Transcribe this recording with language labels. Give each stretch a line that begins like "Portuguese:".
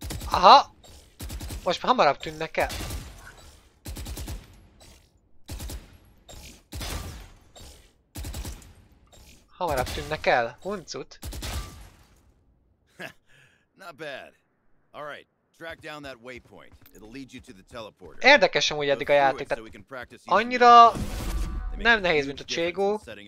Hungarian: Aha! Most már hamarabb tűnnek el. Hamarabb tűnnek el, huncut.
English: Not bad. All right. Track down that waypoint. It'll lead you to the teleporter.
Hungarian: Érdekes, hogy eddig a játék, tehát annyira nem nehéz, mint a cségó.